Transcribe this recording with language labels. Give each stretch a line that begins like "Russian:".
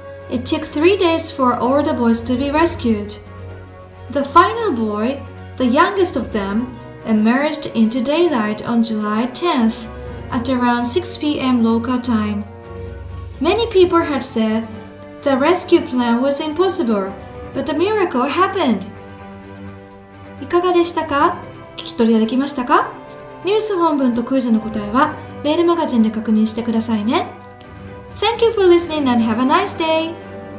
English: It took 3 days for all the boys to be rescued. The final boy, the youngest of them, emerged into daylight on July 10th at around 6 p.m. local time. Many people had said the rescue plan was impossible, but a miracle happened.
Japanese: いかがでしたか？聞き取りができましたか？ニュース本文とクイズの答えはメールマガジンで確認してくださいね。
English: Thank you for listening and have a nice day!